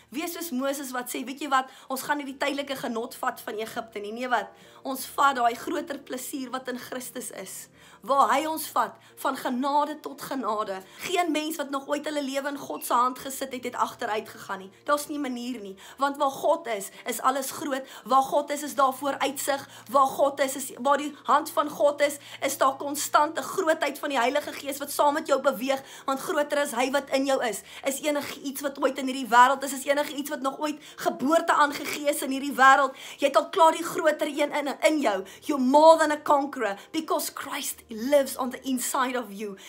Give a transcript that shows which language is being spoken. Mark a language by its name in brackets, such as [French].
[Afrikaans] Wees soos Moses wat sê, weet jy wat, ons gaan nie die tydelike genot vat van Egipte nie. Nee wat, ons vat daai groter plesier wat in Christus is, waar hy ons vat van genade tot genade. Geen mens wat nog ooit hulle lewe in God se hand gesit het, het agteruit gegaan nie. Daar's nie manier nie, want waar God is, is alles groot. Waar God is, is daar vooruitsig. Waar God is, is waar die hand van God is, is daar konstante grootheid van die Heilige Gees wat saam met jou beweeg, want groter is hy wat in jou is. Is enige iets wat ooit in hierdie wêreld is, is enige iets wat nog ooit geboorte aangegee is in hierdie wêreld. Jy het al klaar die groter een in jou. [English] You're more than a conqueror because Christ lives on the inside of you.